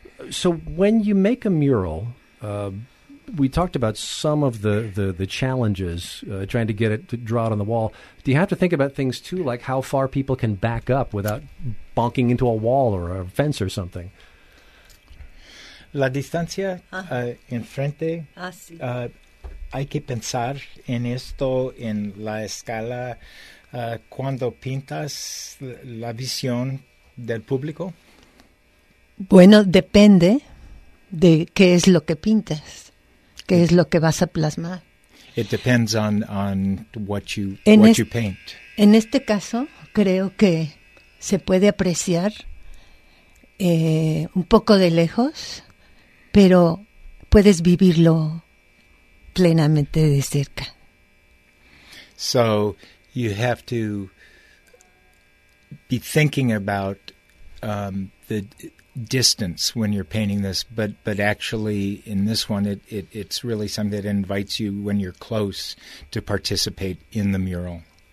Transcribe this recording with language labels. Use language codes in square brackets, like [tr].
[en] So when you make a mural, we talked about some of the challenges trying to get it to draw it on the wall. Do you have to think about things, too, like how far people can back up without bonking into a wall or a fence or something? [es] La distancia enfrente, hay que pensar en esto, en la escala, cuando pintas la visión del público. Bueno, depende de qué es lo que pintas, qué es lo que vas a plasmar. [en] It depends on what you paint. [es] En este caso, creo que se puede apreciar un poco de lejos, pero puedes vivirlo plenamente de cerca. [en] So you have to be thinking about the distance when you're painting this, but actually in this one it's really something that invites you when you're close to participate in the mural.